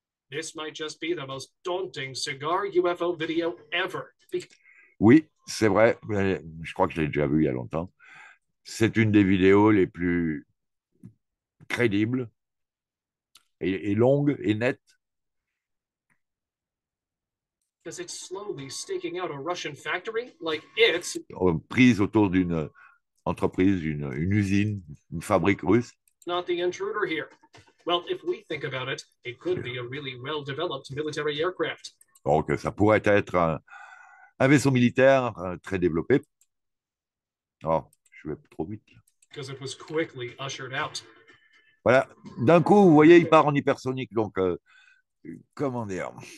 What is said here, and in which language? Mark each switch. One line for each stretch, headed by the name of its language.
English: This might just be the most daunting cigar UFO video ever.
French: Oui, c'est vrai, je crois que je l'ai déjà vu il y a longtemps. C'est une des vidéos les plus crédibles et longues et nettes.
English: Because it's slowly staking out a Russian factory, like it's...
French: Prise autour d'une entreprise, une usine, une fabrique russe.
English: Not the intruder here. Well, if we think about it, it could be a really well-developed military aircraft.
French: Donc, ça pourrait être un vaisseau militaire très développé. Oh, je vais trop vite.
English: Because it was quickly ushered out.
French: Voilà. D'un coup, vous voyez, il part en hypersonique. Donc, comment dire...